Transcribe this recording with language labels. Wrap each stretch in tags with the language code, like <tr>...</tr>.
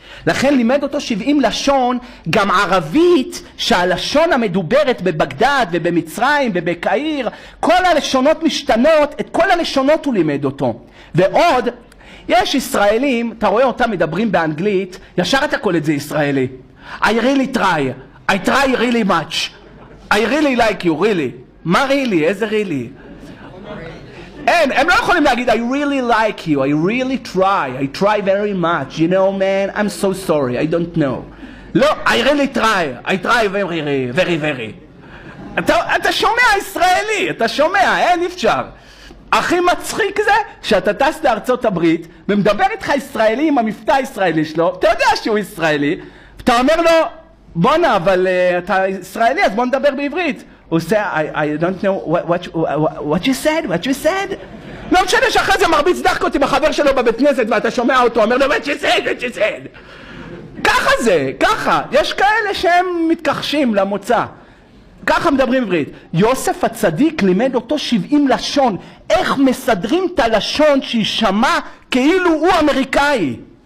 <he>לכן לימד אותו 70 לשון, גם ערבית, שהלשון המדוברת בבגדד ובמצרים ובקהיר, כל הלשונות משתנות, את כל הלשונות הוא לימד אותו. ועוד, יש ישראלים, אתה רואה אותם מדברים באנגלית, ישר אתה קול את זה ישראלי.</he> <en>I really try, I try really much. I really like you, really.</en> <he>מה really? איזה really? אין, הם לא יכולים להגיד,</he> <en>I really like you, I really try, I try very much. You know, man, I'm so sorry, I don't know. לא, I really try, I try very, very, very.</en> <he>אתה שומע ישראלי, אתה שומע, אין אפשר. הכי מצחיק זה שאתה טס לארצות הברית ומדבר איתך ישראלי עם המפתח הישראלי שלו, אתה יודע שהוא ישראלי, אתה אומר לו, בונה, אבל אתה ישראלי, אז בוא נדבר בעברית. הוא עושה,</he> <en>I don't know what you said, what you said?</en> <he>לא משנה שאחרי זה מרביץ דחקות עם החבר שלו בבית כנסת, ואתה שומע אותו, אומר לו,</he> <en>what you said, what you said?</en> <he>ככה זה, ככה. יש כאלה שהם מתכחשים למוצא. ככה מדברים עברית. יוסף הצדיק לימד אותו 70 לשון. איך מסדרים את הלשון שישמע כאילו הוא אמריקאי?</he>